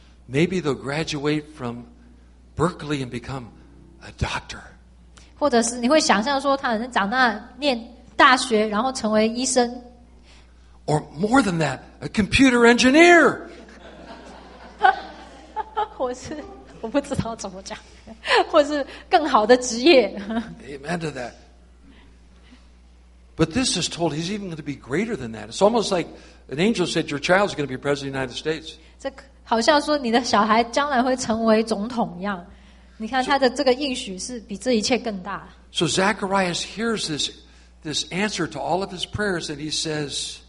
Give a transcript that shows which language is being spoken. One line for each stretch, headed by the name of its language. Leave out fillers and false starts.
English: Maybe they'll graduate from Berkeley and become a doctor.
Chinese: 或者是你会想象说他能长大念大学然后成为医生。
English: Or more than that, a computer engineer.
Chinese: 我不知道怎么讲。或是更好的职业。
English: Amen to that. But this is told he's even going to be greater than that. It's almost like an angel said your child is going to be president of the United States.
Chinese: 这好像说你的小孩将来会成为总统一样。你看他的这个应许是比这一切更大。
English: So Zacharias hears this answer to all of his prayers and he says,